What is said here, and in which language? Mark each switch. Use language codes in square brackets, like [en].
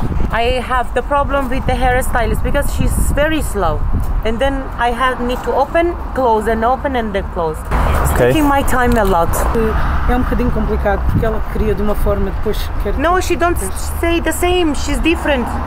[en] I have the problem with the hairstylist because she's very slow. And then I have need to open and then close. It's okay. Taking my time a lot. [pt] É um bocadinho complicado porque ela queria de uma forma, depois quer. [en] No, she don't say the same. She's different.